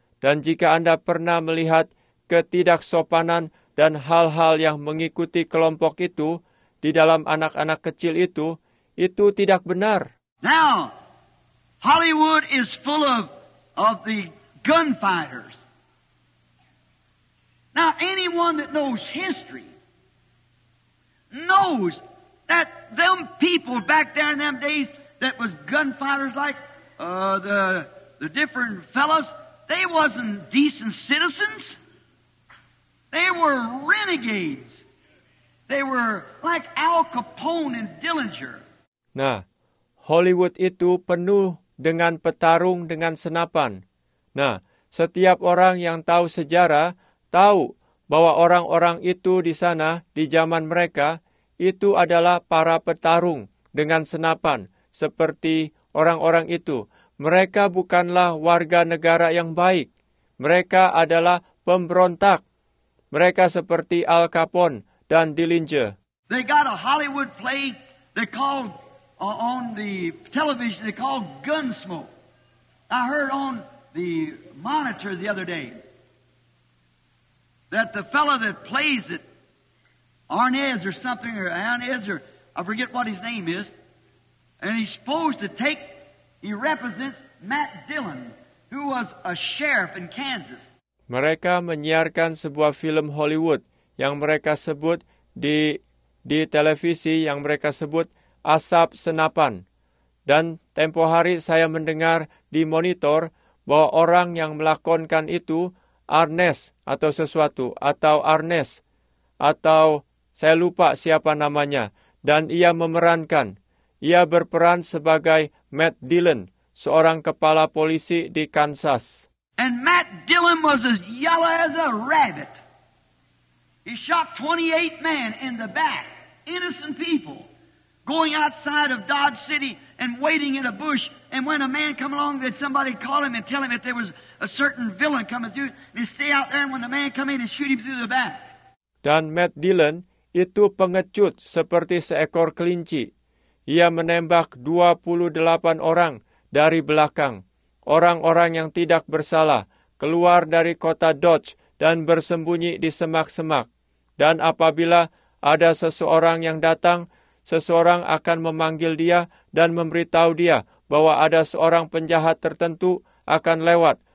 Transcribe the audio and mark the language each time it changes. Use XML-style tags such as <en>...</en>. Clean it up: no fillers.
<id>Dan jika Anda pernah melihat ketidaksopanan dan hal-hal yang mengikuti kelompok itu di dalam anak-anak kecil itu tidak benar.</id> <en>Now, Hollywood is full of the gunfighters. Now, anyone that knows history knows that them people back there in them days that was gunfighters like the different fellows, they wasn't decent citizens. They were renegades. They were like Al Capone and Dillinger.</en> <id>Nah, Hollywood itu penuh dengan petarung dengan senapan. Nah, setiap orang yang tahu sejarah tahu bahwa orang-orang itu di sana di zaman mereka itu adalah para petarung dengan senapan, seperti orang-orang itu. Mereka bukanlah warga negara yang baik. Mereka adalah pemberontak. Mereka seperti Al Capone dan Dillinger.</id> <en>They got a Hollywood play they called on the television they called Gunsmoke. I heard on the monitor the other day that the fellow that plays it, Arnaz or something, or Arnaz, or I forget what his name is, and he's supposed to take, he represents Matt Dillon, who was a sheriff in Kansas.</en> <id>Mereka menyiarkan sebuah film Hollywood yang mereka sebut di televisi yang mereka sebut Asap Senapan. Dan tempo hari saya mendengar di monitor bahwa orang yang melakonkan itu Arnes atau sesuatu atau Arnes atau saya lupa siapa namanya dan ia memerankan. Ia berperan sebagai Matt Dillon, seorang kepala polisi di Kansas.</id> <en>And Matt Dillon was as yellow as a rabbit. He shot 28 men in the back, innocent people, going outside of Dodge City and waiting in a bush. And when a man come along, that somebody call him and tell him that there was a certain villain coming through. They stay out there, and when the man come in, and shoot him through the back.</en> <id>Dan Matt Dillon itu pengecut seperti seekor kelinci. Ia menembak 28 orang dari belakang. Orang-orang yang tidak bersalah keluar dari kota Dodge dan bersembunyi di semak-semak. Dan apabila ada seseorang yang datang, seseorang akan memanggil dia dan memberitahu dia bahwa ada seorang penjahat tertentu akan lewat.</id>